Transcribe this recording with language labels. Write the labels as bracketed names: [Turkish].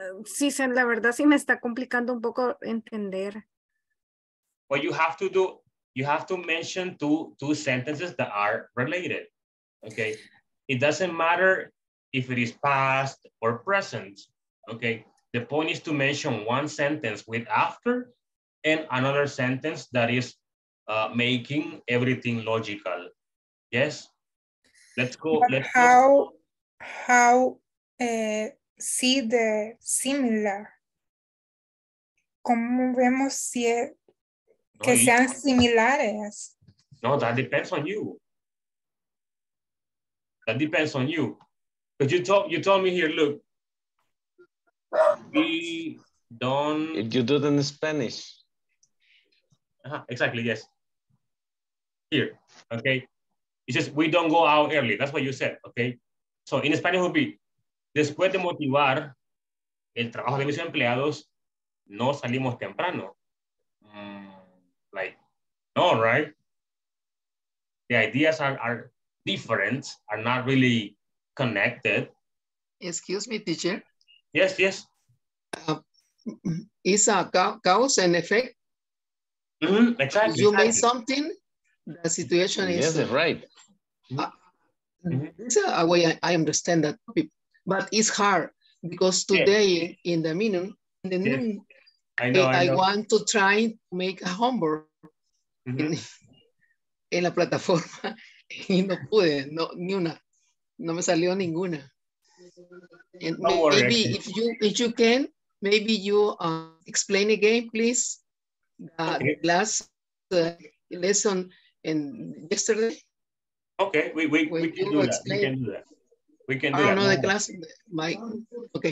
[Spanish] Sí, la verdad sí me está complicando un poco entender. [English] What you have to do, you have to mention two sentences that are related, okay? It doesn't matter if it is past or present, okay? The point is to mention one sentence with after and another sentence that is making everything logical, yes? Let's go. Let's how see the similar. [Spanish] ¿Cómo vemos si es, que no, sean similares? [English] No, that depends on you. That depends on you. But you told me here, look. We don't. You do it in Spanish. Uh-huh, exactly, yes. Here, okay. It's just, we don't go out early. That's what you said, okay? So in Spanish it would be, [Spanish] después de motivar el trabajo de mis empleados, no salimos temprano. [English] Like, no, right? The ideas are different, are not really connected. Excuse me, teacher. Yes, yes. It's a cause and effect. Mm-hmm, exactly. You made something, the situation yes, is... Yes, right. Mm-hmm. It's a way I understand that topic, but it's hard because today yes. In the meeting, in the noon, yes. I want to try to make a homework mm-hmm. [Spanish] in la plataforma y no pude, no, ni una, no me salió ninguna. [English] And no maybe worry. if you can, maybe you explain again, please, okay. Last lesson in yesterday. Okay, we can do that. Explain. We can do that. I don't know the class, Mike. Okay.